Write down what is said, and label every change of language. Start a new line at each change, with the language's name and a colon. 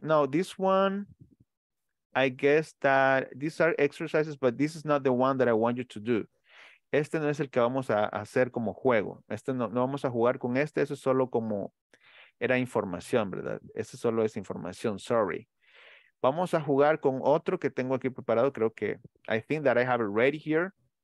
English: Now, this one, I guess that these are exercises, but this is not the one that I want you to do.
Spanish: Este no es el que vamos a hacer como juego. Este no, no vamos a jugar con este. Eso es solo como, era información, ¿verdad? Este solo es información.
English: Sorry.
Spanish: Vamos a jugar con otro que tengo aquí preparado. Creo que,
English: I think that I have it ready here.